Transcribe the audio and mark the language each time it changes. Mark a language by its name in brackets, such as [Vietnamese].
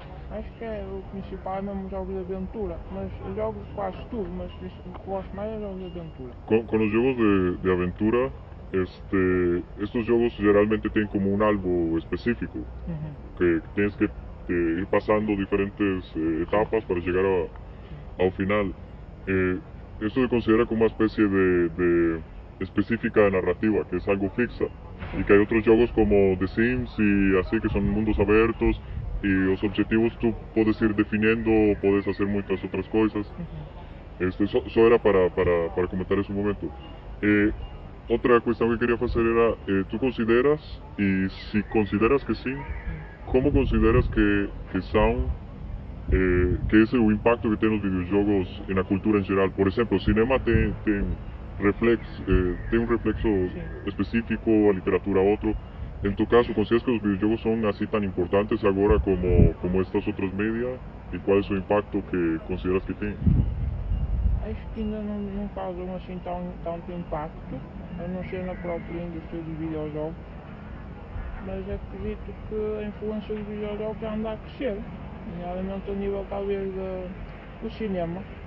[Portuguese] Acho que é o principal é mesmo jogos de aventura. Mas jogo quase tudo, mas o que gosto mais é jogos de aventura. [Spanish] Con los juegos de aventura, estos juegos generalmente tienen como un algo específico, que tienes que ir pasando diferentes etapas para llegar al final. Esto se considera como una especie de específica de narrativa, que es algo fixa, y que hay otros juegos como The Sims y así, que son mundos abiertos, y los objetivos tú puedes ir definiendo, puedes hacer muchas otras cosas. Eso era para comentar ese momento. Otra cuestión que quería hacer era, ¿tú consideras, y si consideras que sí, cómo consideras que son, que es el impacto que tienen los videojuegos en la cultura en general? Por ejemplo, ¿el cinema tiene un reflexo específico, a literatura otro? En tu caso, ¿consideras que los videojuegos son así tan importantes ahora como estas otras medias? ¿Y cuál es el impacto que consideras que tienen? [Portuguese] Acho que ainda não causam assim tanto impacto, a não ser na própria indústria dos videojogos. Mas acredito que a influência dos videojogos já anda a crescer, nomeadamente a nível talvez do cinema.